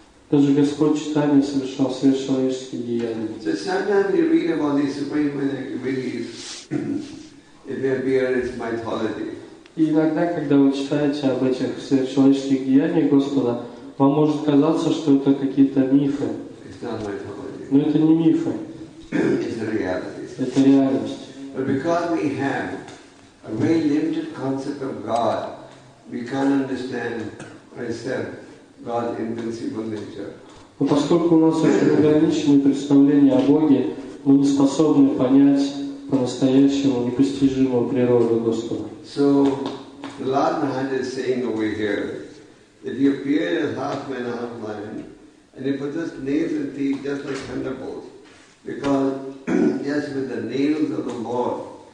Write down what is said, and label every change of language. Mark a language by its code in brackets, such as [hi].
[ru] Даже Господь Читания совершал сверхчеловеческие деяния. [en] So sometimes you read about these supreme activities, it may appear it's mythology. [ru] И иногда, когда вы читаете об этих сверхчеловеческих деяниях Господа, вам может казаться, что это какие-то мифы. Но это не мифы. Это реальность. [en] A very limited concept of God, we can't understand or accept God's invincible nature. [ru] Но поскольку у нас очень ограниченное представление о Боге, мы не способны понять по-настоящему непостижимую природу Господа. [en] So, the Lord Mahārāja is saying over here that he appeared as half man, half lion, and he possessed nails and teeth just like thunderbolts, because yes, with the nails of the Lord,